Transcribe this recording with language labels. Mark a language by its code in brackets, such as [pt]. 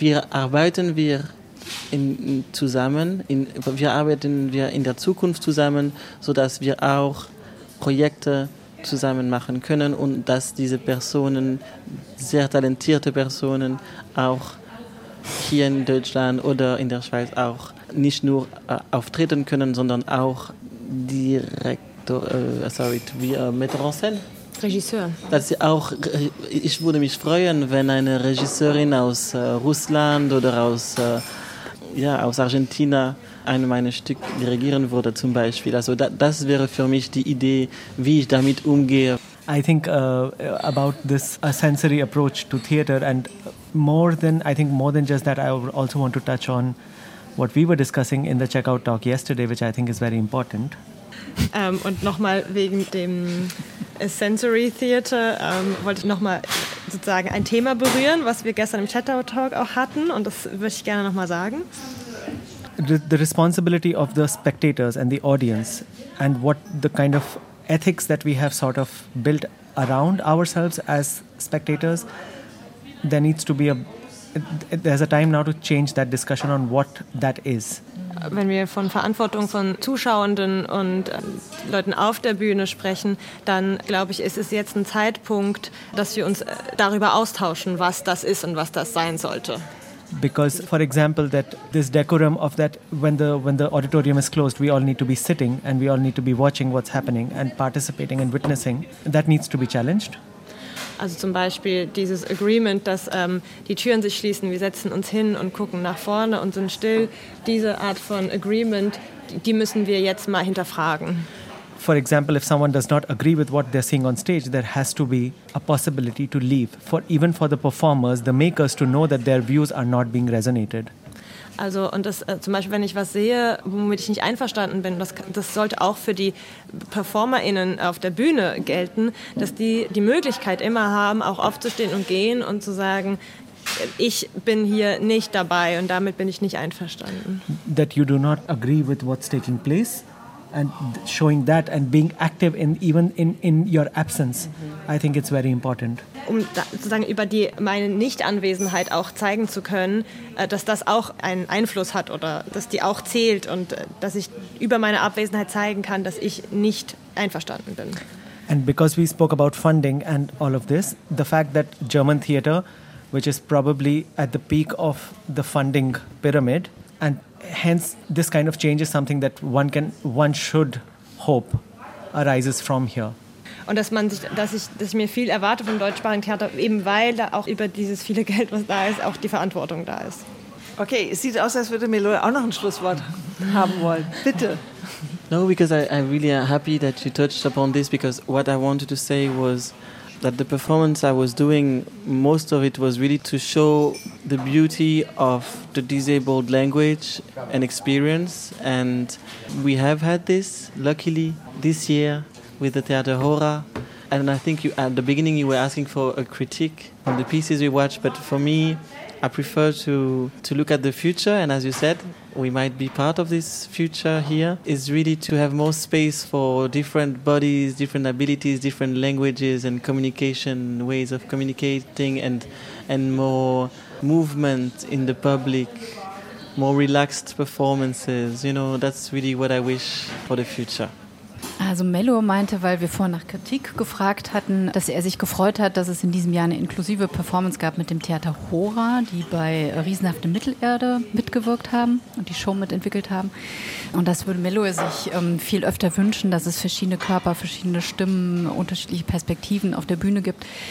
[de] arbeiten wir in der Zukunft zusammen, sodass wir auch Projekte zusammen machen können und dass diese Personen, sehr talentierte Personen, auch hier in Deutschland oder in der Schweiz auch nicht nur auftreten können, sondern auch [fr] Metteur en scène. [de] Regisseur. Dass sie auch, ich würde mich freuen, wenn eine Regisseurin aus Russland oder aus Argentina ein meines Stück dirigieren würde, zum Beispiel. Also das wäre für mich die Idee, wie ich damit umgehe. [en] I think about this sensory approach to theater and more than just that, I also want to touch on what we were discussing in the checkout talk yesterday, which I think is very important. [de] Und nochmal wegen dem Sensory Theater wollte ich nochmal sozusagen ein Thema berühren, was wir gestern im Checkout talk auch hatten, und das würde ich gerne nochmal sagen. [en] The responsibility of the spectators and the audience and what the kind of ethics that we have sort of built around ourselves as spectators, there's a time now to change that discussion on what that is. [de] Wenn wir von Verantwortung von Zuschauenden und Leuten auf der Bühne sprechen, dann glaube ich, ist es jetzt ein Zeitpunkt, dass wir uns darüber austauschen, was das ist und was das sein sollte. [en] Because, for example, that this decorum of that when the auditorium is closed, we all need to be sitting and we all need to be watching what's happening and participating and witnessing, that needs to be challenged. [de] Also zum Beispiel dieses Agreement, dass die Türen sich schließen, wir setzen uns hin und gucken nach vorne und sind still. Diese Art von Agreement, die müssen wir jetzt mal hinterfragen. [en] For example, if someone does not agree with what they're seeing on stage, there has to be a possibility to leave. Even for the performers, the makers, to know that their views are not being resonated. [de] Also, und das zum Beispiel, wenn ich was sehe, womit ich nicht einverstanden bin, das sollte auch für die PerformerInnen auf der Bühne gelten, dass die Möglichkeit immer haben, auch aufzustehen und gehen und zu sagen, ich bin hier nicht dabei und damit bin ich nicht einverstanden. [en] That you do not agree with what's taking place and showing that and being active even in your absence, I think it's very important. [de] Um da, sozusagen über die meine Nichtanwesenheit auch zeigen zu können, dass das auch einen Einfluss hat oder dass die auch zählt und dass ich über meine Abwesenheit zeigen kann, dass ich nicht einverstanden bin. [en] And because we spoke about funding and all of this, the fact that German theater, which is probably at the peak of the funding pyramid, and hence this kind of change is something that one should hope arises from here. [de] Und dass ich mir viel erwarte vom deutschsprachigen Theater, eben weil da auch über dieses viele Geld, was da ist, auch die Verantwortung da ist. Okay, es sieht aus, als würde Melo auch noch ein Schlusswort haben wollen. Bitte. [en] No, because I'm really happy that you touched upon this, because what I wanted to say was that the performance I was doing, most of it was really to show the beauty of the disabled language and experience. And we have had this, luckily, this year, with the Theater Hora. And I think you, at the beginning you were asking for a critique on the pieces we watched, but for me, I prefer to look at the future, and as you said, we might be part of this future here, is really to have more space for different bodies, different abilities, different languages and communication, ways of communicating and more movement in the public, more relaxed performances. You know, that's really what I wish for the future. [de] Also Mello meinte, weil wir vorhin nach Kritik gefragt hatten, dass er sich gefreut hat, dass es in diesem Jahr eine inklusive Performance gab mit dem Theater Hora, die bei Riesenhafte Mittelerde mitgewirkt haben und die Show mitentwickelt haben. Und das würde Mello sich viel öfter wünschen, dass es verschiedene Körper, verschiedene Stimmen, unterschiedliche Perspektiven auf der Bühne gibt.